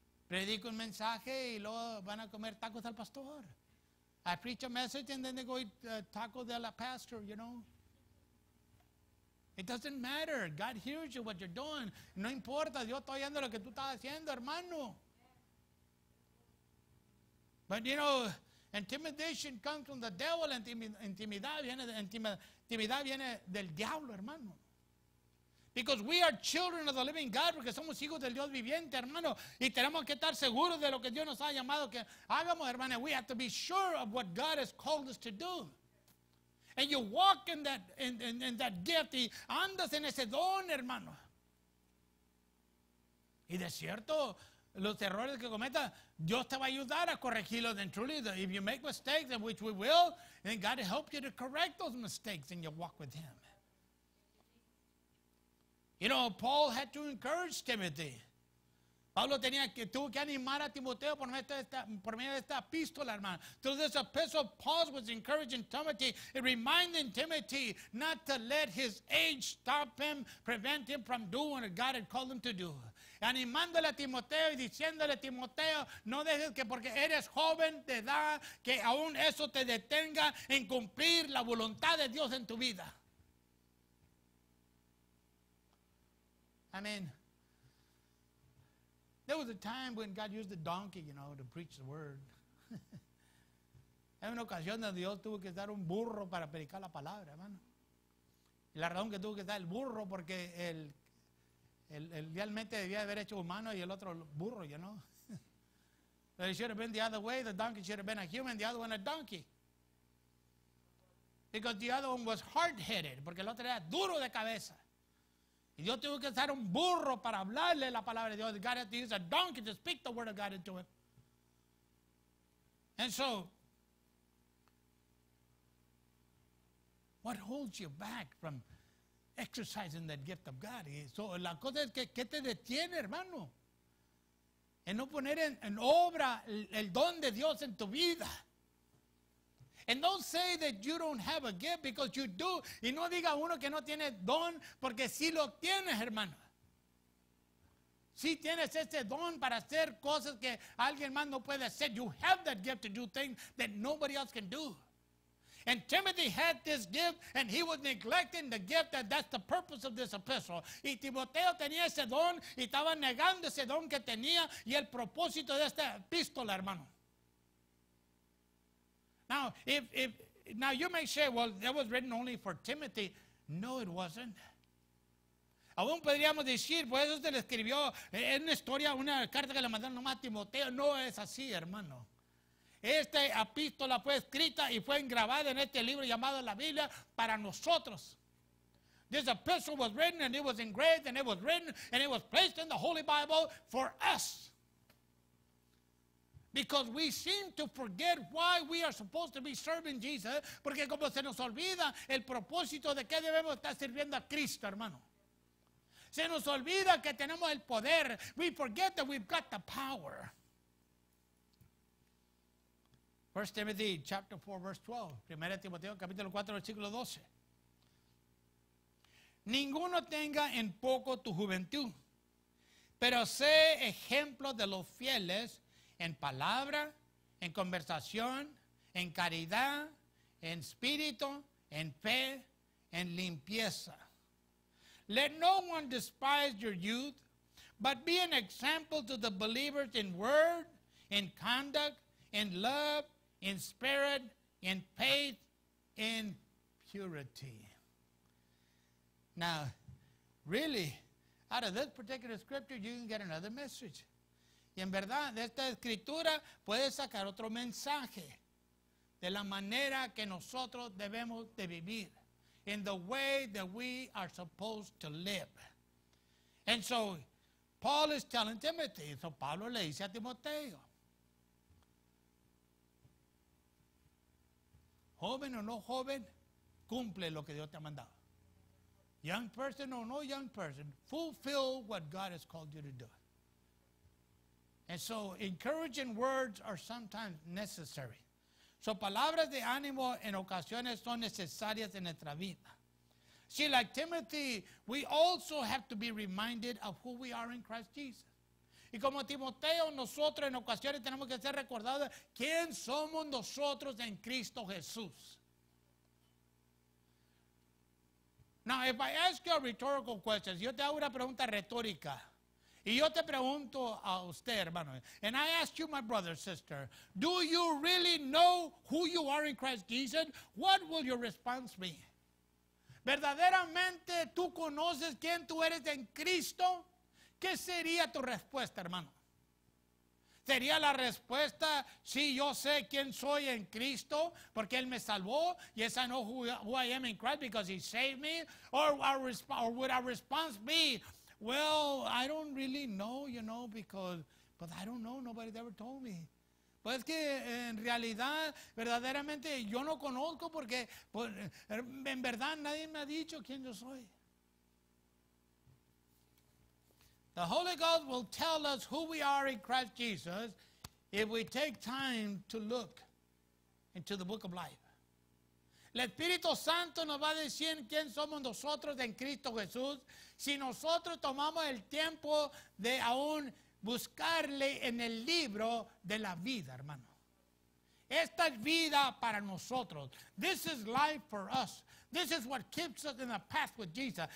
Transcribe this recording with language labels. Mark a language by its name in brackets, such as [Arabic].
[Spanish] Predico un mensaje y luego van a comer tacos al pastor. [English] I preach a message and then they go eat tacos de la pastor, you know. It doesn't matter. God hears you, what you're doing. [Spanish] No importa, Dios está oyendo lo que tú estás haciendo, hermano. [English] But, you know, intimidation comes from the devil. [Spanish] Intimidad viene del diablo, hermano. [English] Because we are children of the living God, [Spanish] porque somos hijos del Dios viviente, hermano. Y tenemos que estar seguros de lo que Dios nos ha llamado que hagamos, hermano. [English] We have to be sure of what God has called us to do. And you walk in that in that gift. [Spanish] Y andas en ese don, hermano. Y de cierto, los errores que cometas, Dios te va a ayudar a corregirlos. [English] And truly, if you make mistakes, and which we will, then God will help you to correct those mistakes and you walk with Him. You know, Paul had to encourage Timothy. [Spanish] Pablo tuvo que animar a Timoteo por medio de esta epístola, hermano. [English] Through this epistle, Paul was encouraging Timothy and reminding Timothy not to let his age stop him, prevent him from doing what God had called him to do. [Spanish] Animándole a Timoteo y diciéndole a Timoteo, no dejes que porque eres joven de edad, que aún eso te detenga en cumplir la voluntad de Dios en tu vida. [English] I mean, there was a time when God used a donkey, you know, to preach the word. [Spanish] Hay una ocasión donde Dios tuvo que dar un burro para predicar la palabra, hermano. Y la razón que tuvo que dar el burro porque el realmente debía haber hecho humano y el otro burro, [English] you know. But it should have been the other way. The donkey should have been a human, the other one a donkey. Because the other one was hard-headed, [Spanish] porque el otro era duro de cabeza. Y Dios tuvo que usar un burro para hablarle la palabra de Dios. [English] God had to use a donkey to speak the word of God into him. And so, what holds you back from exercising that gift of God? [Spanish] Y so, la cosa es que, ¿qué te detiene, hermano? En no poner en obra el don de Dios en tu vida. [English] And don't say that you don't have a gift because you do. [Spanish] Y no diga uno que no tiene don porque sí lo tienes, hermano. Sí tienes ese don para hacer cosas que alguien más no puede hacer. [English] You have that gift to do things that nobody else can do. And Timothy had this gift and he was neglecting the gift that's the purpose of this epistle. [Spanish] Y Timoteo tenía ese don y estaba negando ese don que tenía y el propósito de esta epístola, hermano. [English] Now, now you may say, well, that was written only for Timothy. No, it wasn't. [Spanish] Aún podríamos decir, pues eso se le escribió en una historia, una carta que le mandaron nomás a Timoteo. No es así, hermano. Esta epístola fue escrita y fue engrabada en este libro llamado la Biblia para nosotros. [English] This epistle was written and it was engraved and it was written and it was placed in the Holy Bible for us. Because we seem to forget why we are supposed to be serving Jesus. [Spanish] Porque como se nos olvida el propósito de que debemos estar sirviendo a Cristo, hermano. Se nos olvida que tenemos el poder. [English] We forget that we've got the power. 1 Timothy chapter 4, verse 12. [Spanish] 1 Timoteo capítulo 4, versículo 12. Ninguno tenga en poco tu juventud, pero sé ejemplo de los fieles en palabra, en conversación, en caridad, en espíritu, en fe, en limpieza. [English] Let no one despise your youth, but be an example to the believers in word, in conduct, in love, in spirit, in faith, in purity. Now, really, out of this particular scripture, you can get another message. [Spanish] Y en verdad, de esta escritura puedes sacar otro mensaje de la manera que nosotros debemos de vivir. [English] In the way that we are supposed to live. And so, Paul is telling Timothy. [Spanish] So, Pablo le dice a Timoteo. Joven o no joven, cumple lo que Dios te ha mandado. [English] Young person or no young person, fulfill what God has called you to do. And so encouraging words are sometimes necessary. [Spanish] So palabras de ánimo en ocasiones son necesarias en nuestra vida. [English] See, like Timothy, we also have to be reminded of who we are in Christ Jesus. [Spanish] Y como Timoteo, nosotros en ocasiones tenemos que ser recordados quién somos nosotros en Cristo Jesús. [English] Now, if I ask you a rhetorical question, [Spanish] yo te hago una pregunta retórica. Y yo te pregunto a usted, hermano. [English] And I ask you, my brother, sister, do you really know who you are in Christ Jesus? What will your response be? [Spanish] ¿Verdaderamente tú conoces quién tú eres en Cristo? ¿Qué sería tu respuesta, hermano? ¿Sería la respuesta, sí, yo sé quién soy en Cristo porque Él me salvó? [English] Yes, I know who I am in Christ because He saved me. Or would our response be, well, I don't really know, you know, but I don't know, nobody ever told me. [Spanish] Pues que en realidad, verdaderamente, yo no conozco porque pues, en verdad nadie me ha dicho quién yo soy. [English] The Holy Ghost will tell us who we are in Christ Jesus if we take time to look into the book of life. [Spanish] El Espíritu Santo nos va a decir quién somos nosotros en Cristo Jesús si nosotros tomamos el tiempo de aún buscarle en el libro de la vida, hermano. Esta es vida para nosotros. [English] This is life for us. This is what keeps us in the path with Jesus.